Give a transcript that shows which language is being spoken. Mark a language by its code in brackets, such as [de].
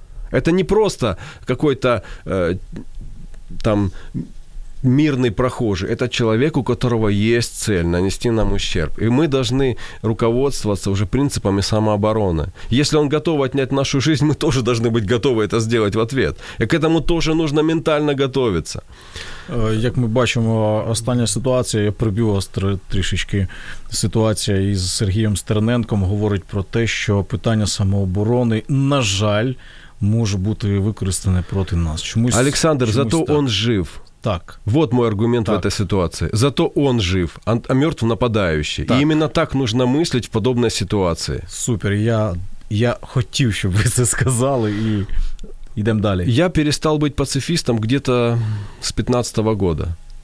[ru] Это не просто какой-то там мирный прохожий. Это человек, у которого есть цель нанести нам ущерб. И мы должны руководствоваться уже принципами самообороны. Если он готов отнять нашу жизнь, мы тоже должны быть готовы это сделать в ответ. И к этому тоже нужно ментально готовиться. [uk] Як ми бачимо, остання ситуація, я приб'ю вас трішечки, ситуація із Сергієм Стерненком говорить про те, що питання самооборони, на жаль, може бути використане проти нас. Чомусь, Олександр, чомусь [ru] зато так. Он жив. Так. Вот мой аргумент так. В этой ситуации. Зато он жив, а мертв нападающий. Так. И именно так нужно мыслить в подобной ситуации. Супер, я хотел, чтобы вы это сказали, и идем далее. Я перестал быть пацифистом где-то с 15-го года.